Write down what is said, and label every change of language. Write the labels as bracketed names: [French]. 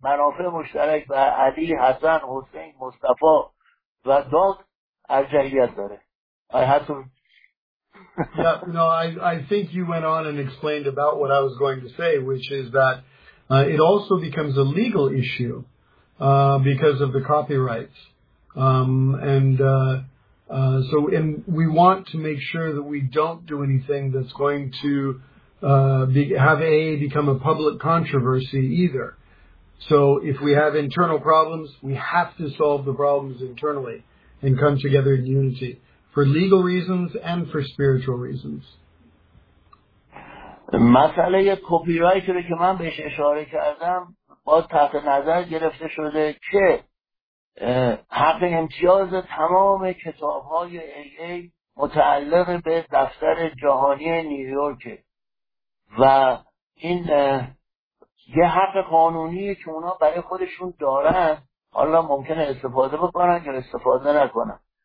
[Persian] منافع مشترک بر علی، حسن، حسین، مصطفی و داد ارجحیت داره. [English] I think you went on and explained about what I was going to say, which is that it also becomes a legal issue because of the copyrights. And we want to make sure that we don't do anything that's going to become a public controversy either. So if we have internal problems, we have to solve the problems internally and come together in unity. For legal reasons and for spiritual reasons. [Persian] مسئله کپی‌رایت رو که من بهش اشاره کردم با تحت نظر گرفته شده که حق امتیاز تمام کتاب‌های AA متعلق به دفتر جهانی نیویورک و این یه حق قانونیه که اونا برای خودشون دارن، حالا ممکنه استفاده بکنن یا استفاده نکنن.